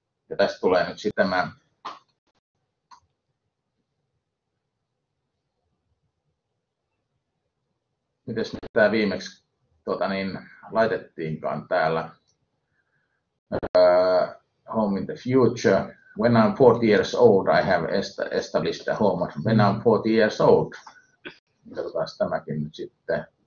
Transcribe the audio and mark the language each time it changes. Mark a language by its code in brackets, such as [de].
[fi] Ja tästä tulee nyt sitten mä... Mites nyt tää viimeksi laitettiinkaan täällä? [en] Home in the future. When I'm 40 years old, I have established a home. When I'm 40 years old. [fi] Katsotaan tämäkin nyt sitten.